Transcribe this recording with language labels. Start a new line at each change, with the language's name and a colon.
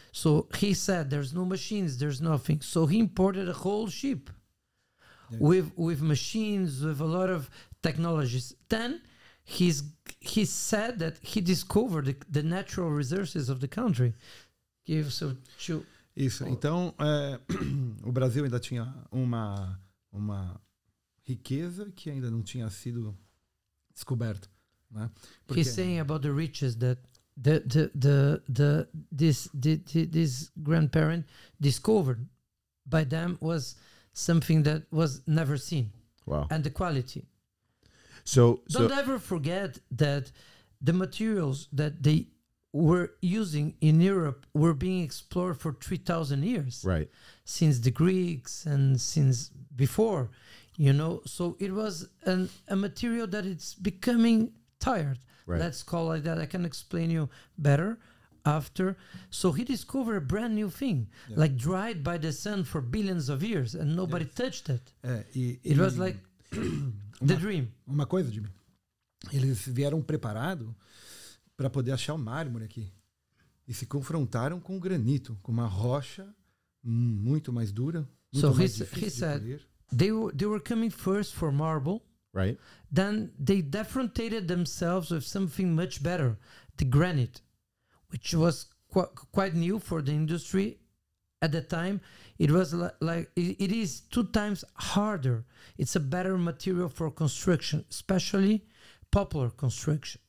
English: So he said, there's no machines, there's nothing. So he imported a whole ship with machines, with a lot of technologies. Then he said that he discovered the natural resources of the country. Give some to...
Portuguese: Isso, então é, o Brasil ainda tinha uma riqueza que ainda não tinha sido descoberta, né?
English: Porque he's saying about the riches that this grandparent discovered by them was something that was never seen. Wow. And the quality. So don't ever forget that the materials that they were using in Europe were being explored for 3,000 years. Right. Since the Greeks and since before, you know. So it was a material that it's becoming tired. Right. Let's call it like that. I can explain you better after. So he discovered a brand new thing, like dried by the sun for billions of years and nobody touched it. It was like the dream.
Portuguese: Uma coisa, Jimmy. Eles vieram preparado para poder achar o mármore aqui. E se confrontaram com o granito, com uma rocha muito mais dura, muito
English: so
Portuguese: mais difícil de polir.
English: They were coming first for marble. Right. Then they defrontated themselves with something much better, the granite, which was quite new for the industry at the time. It was it is two times harder. It's a better material for construction, especially popular construction.